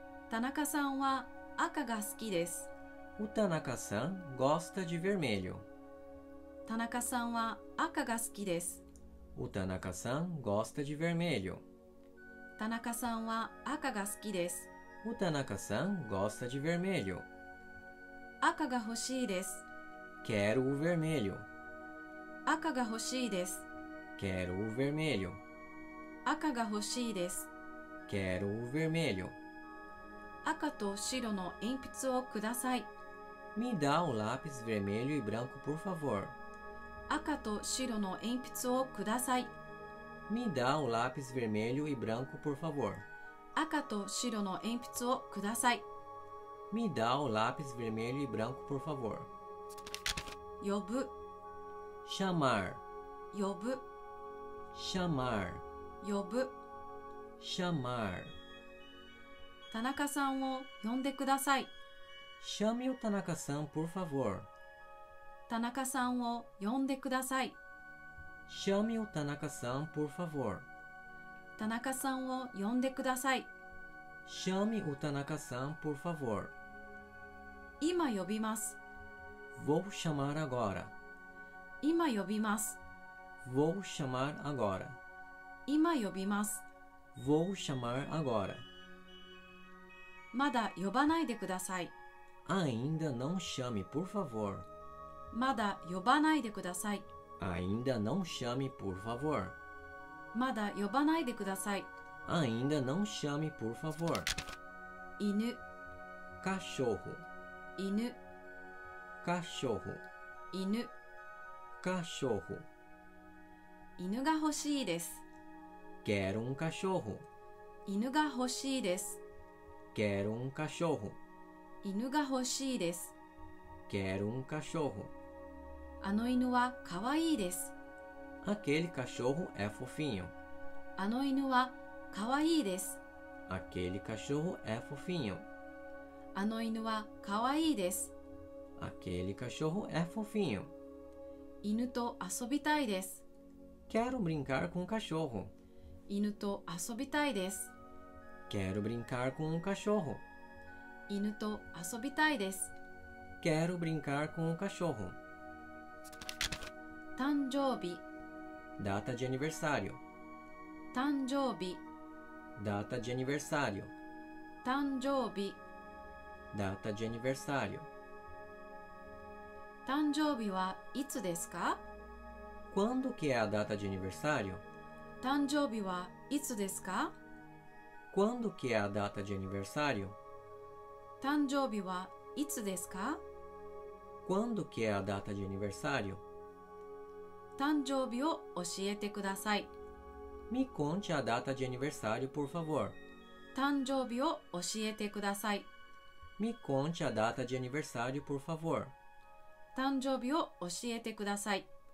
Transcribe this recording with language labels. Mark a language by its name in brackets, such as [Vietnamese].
[Japanese] 田中さんは赤が好きです。 [Portuguese] O Tanaka-san gosta de vermelho. [Japanese] 田中さんは赤が好きです。 [Portuguese] O Tanaka-san gosta de vermelho. [Japanese] 田中さんは赤が好きです。 [Portuguese] O Tanaka-san gosta de vermelho. [Japanese] 赤が欲しいです。 [Portuguese] Quero o vermelho. [Japanese] 赤が欲しいです。 [Portuguese] Quero o vermelho. [Japanese] 赤が欲しいです。 [Portuguese] Quero o vermelho. [Japanese] 赤と白の鉛筆をください。 [Portuguese] Me dá o lápis vermelho e branco, por favor. [Japanese] 赤と白の鉛筆をください。 [Portuguese] Me dá o lápis vermelho e branco, por favor. [Japanese] 赤と白の鉛筆をください。 [Portuguese] Me dá o lápis vermelho e branco, por favor. [Japanese] 呼ぶ、 [Portuguese] Chamar. [Japanese] 呼ぶ、 [Portuguese] Chamar. [Japanese] 呼ぶ、 [Portuguese] Chamar. [Japanese] 田中さんを呼んでください。 [Portuguese] Chame o Tanaka-san, por favor. [Japanese] 田中さんを呼んでください。 [Portuguese] Chame o Tanaka-san, por favor. [Japanese] 田中さんを呼んでください。 [Portuguese] Chame o Tanaka-san, por favor. [Japanese] 今呼びます。 [Portuguese] Vou chamar agora. [Japanese] 今呼びます。 [Portuguese] Vou chamar agora. [Japanese] 今呼びます。 [Portuguese] Vou chamar agora. [Japanese] まだ呼ばないでください。 [Portuguese] Ainda não chame, por favor. [Japanese] まだ呼ばないでください。 [Portuguese] Ainda não chame, por favor. [Japanese] まだ呼ばないでください。 [Portuguese] Ainda não chame, por favor. [Japanese] 犬、 [Portuguese] cachorro. [Japanese] 犬、 [Portuguese] cachorro. [Japanese] 犬、 [Portuguese] cachorro. [Japanese] 犬が欲しいです。 [Portuguese] Quero um cachorro. [Japanese] 犬が欲しいです。 [Portuguese] Quero um cachorro. [Japanese] 犬が欲しいです。 [Portuguese] Quero um cachorro. [Japanese] あの犬はかわいいです。 [Portuguese] Aquele cachorro é fofinho. [Japanese] あの犬はかわいいです。 [Portuguese] Aquele cachorro é fofinho. [Japanese] あの犬はかわいいです。 [Portuguese] Aquele cachorro é fofinho. [Japanese] 犬と遊びたいです。 [Portuguese] Quero brincar com o cachorro. [Japanese] 犬と遊びたいです。 [Portuguese] Quero brincar com um cachorro. [Japanese] 犬と遊びたいです。 [Portuguese] Quero brincar com um cachorro. [Japanese] 誕生日、 [Portuguese] data de aniversário. [Japanese] 誕生日、 [Portuguese] data de aniversário. [Japanese] 誕生日、 [Portuguese] data de aniversário. [Japanese] 誕生日はいつですか？ [Portuguese] Quando que é a data de aniversário? [Japanese] 誕生日はいつですか？ [Portuguese] Quando que é a data de aniversário? [Japanese] 誕生日はいつですか? [Portuguese] Quando que é a data de aniversário? [Japanese] 誕生日を教えてください。 [Portuguese] Me conte a data de aniversário, por favor. [Japanese] 誕生日を教えてください。 [Portuguese] Me conte a data de aniversário, por favor. [Japanese] 誕生日を教えてください。